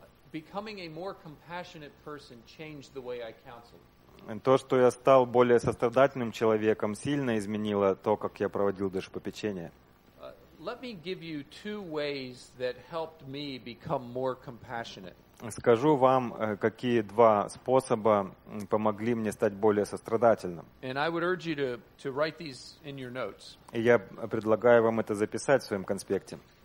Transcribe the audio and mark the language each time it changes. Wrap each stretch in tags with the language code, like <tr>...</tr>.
<en>Becoming a more compassionate person changed the way I counseled.</en> <ru>То, что я стал более сострадательным человеком, сильно изменило то, как я проводил душепопечение.</ru> <en>Let me give you two ways that helped me become more compassionate.</en> <ru>Скажу вам, какие два способа помогли мне стать более сострадательным.</ru> <en>And I would urge you to write these in your notes.</en> <ru>И я предлагаю вам это записать в своем конспекте.</ru>